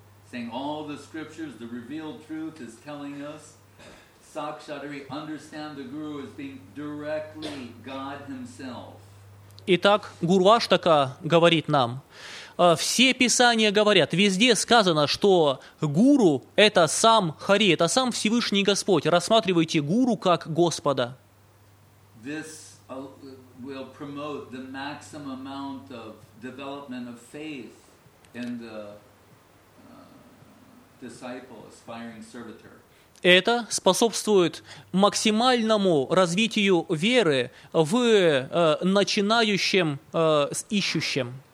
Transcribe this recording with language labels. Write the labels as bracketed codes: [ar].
[en] Saying all the scriptures, the revealed truth is telling us, [sa] Сакшад хари, [en] understand the Guru as being directly God Himself. [ru] Итак, Гуру Аштака говорит нам, все писания говорят, везде сказано, что Гуру — это сам Хари, это сам Всевышний Господь. Рассматривайте Гуру как Господа. [en] This will promote the maximum amount of development of faith in the disciple, aspiring servitor. [ru] Это способствует максимальному развитию веры в начинающем, ищущем.